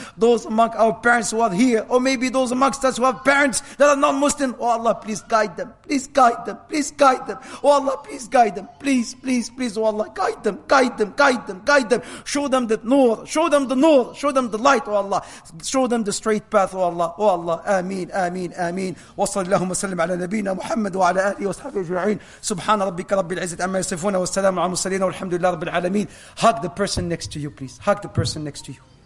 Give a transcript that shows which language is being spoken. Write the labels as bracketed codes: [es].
[en] Those among our parents who are here, or maybe those amongst us who have parents that are non-Muslim, oh Allah, please guide them, please guide them, please guide them. Oh Allah, please guide them, please, please, please, oh Allah, guide them, guide them, guide them, guide them. Show them the nur, show them the nur, show them the light, oh Allah. Show them the straight path, oh Allah, oh Allah. Ameen, ameen, ameen. [ar] Wa sallallahu wa sallam ala nabiyyina محمد وعلى آله وصحبه أجمعين سبحان ربك رب العزة عما يصفون والسلام على المرسلين والحمد لله رب العالمين. [en] Hug the person next to you, please. Hug the person next to you.